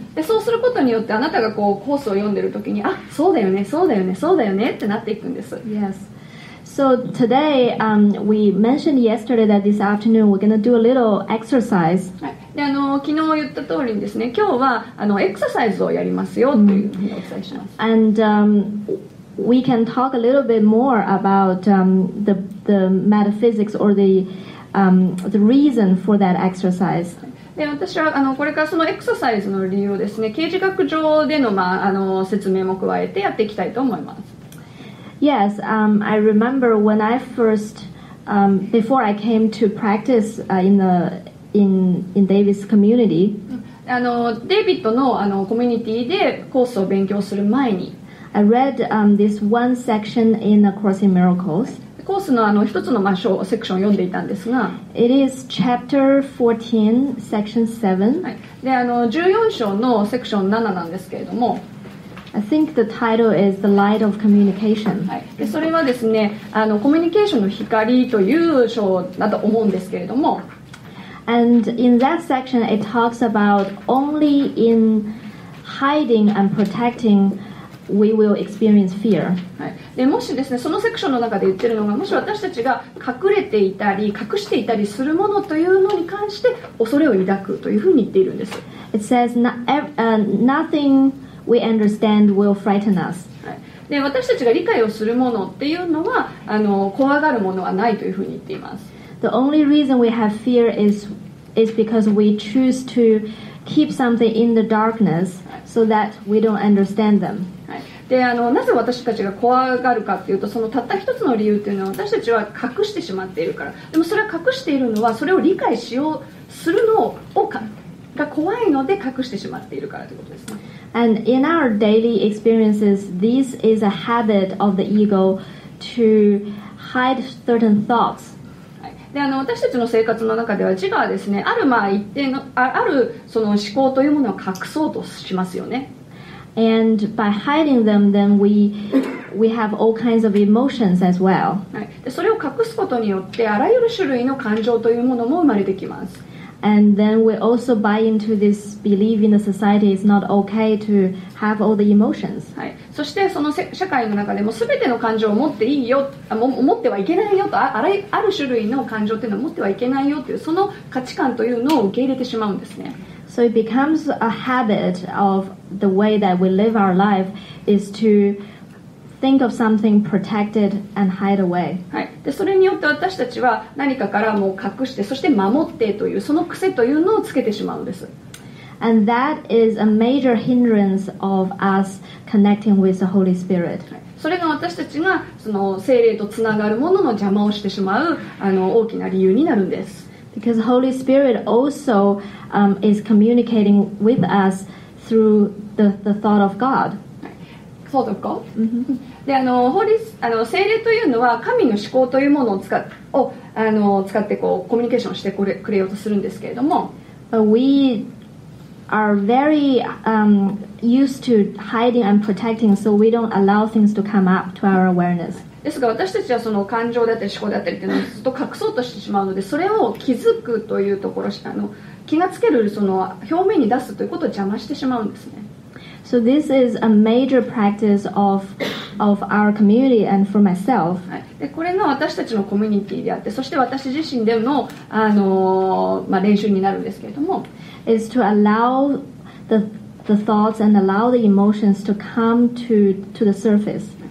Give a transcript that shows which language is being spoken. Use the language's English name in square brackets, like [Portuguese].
[Japanese] でそうすることによってあなたがこうコースを読んでるときにあそうだよねそうだよねそうだよねってなっていくんです。 [English] Yes. So today, we mentioned yesterday that this afternoon we're going to do a little exercise. [Japanese] で昨日言った通りにですね今日はエクササイズをやりますよというふうにお伝えします。 [English] And we can talk a little bit more about the metaphysics or the reason for that exercise. [Japanese] で私はこれからそのエクササイズの理由をですね経時学上での、まあ、説明も加えてやっていきたいと思います。 [English] Yes, I remember when I first before I came to practice in David's community [Japanese] デイビッドのコミュニティでコースを勉強する前に [English] I read this one section in A Course in Miracles. [Japanese] コースの一つのセクションを読んでいたんですが [English] It is chapter 14, section 7、 [Japanese] はい、で14章のセクション7なんですけれども [English] I think the title is The Light of Communication、 [Japanese] はい、でそれはですねコミュニケーションの光という章だと思うんですけれども [English] And in that section it talks about only in hiding and protectingWe will experience fear. [Japanese] でもしですねそのセクションの中で言ってるのがもし私たちが隠れていたり隠していたりするものというのに関して恐れを抱くというふうに言っているんです。 [English] It says nothing we understand will frighten us. [Japanese] で私たちが理解をするものっていうのは怖がるものはないというふうに言っています。 [English] The only reason we have fear is because we choose to keep something in the darkness so that we don't understand them. [Japanese] でなぜ私たちが怖がるかっていうとそのたった一つの理由っていうのは私たちは隠してしまっているから。でもそれは隠しているのはそれを理解しようするのをかが怖いので隠してしまっているからということですね。 [English] And in our daily experiences this is a habit of the ego to hide certain thoughts、 [Japanese] はい、で私たちの生活の中では自我はですねある、まあ、一定の あるその思考というものを隠そうとしますよね。 [English] And by hiding them, then we have all kinds of emotions as well. [Japanese] それを隠すことによってあらゆる種類の感情というものも生まれてきます。 [English] And then we also buy into this belief in the society is not okay to have all the emotions. [Japanese] はい。そしてその社会の中でも全ての感情を持っていいよ、あ、持ってはいけないよと、ある種類の感情っていうのを持ってはいけないよっていうその価値観というのを受け入れてしまうんですね。 [English] So it becomes a habit of the way that we live our life is to think of something protected and hide away. [Japanese] はい。で、それによって私たちは何かからもう隠して、そして守ってというその癖というのをつけてしまうんです。 [English] And that is a major hindrance of us connecting with the Holy Spirit. [Japanese] それが私たちがその聖霊とつながるものの邪魔をしてしまうあの大きな理由になるんです。 [English] Because Holy Spirit also is communicating with us through the thought of God. Thought of God. [Japanese] で、あの、聖霊というのは神の思考というものを使ってこうコミュニケーションしてくれようとするんですけれども、 [English] But we are very used to hiding and protecting, so we don't allow things to come up to our awareness. [Japanese] ですが私たちはその感情だったり思考だったりっていうのをずっと隠そうとしてしまうのでそれを気づくというところあの気がつけるその表面に出すということを邪魔してしまうんですね。 [English] So this is a major practice of our community and for myself.、 [Japanese] はい、でこれが私たちのコミュニティであってそして私自身でもまあ、練習になるんですけれども [English] is to allow the thoughts and allow the emotions to come to the surface.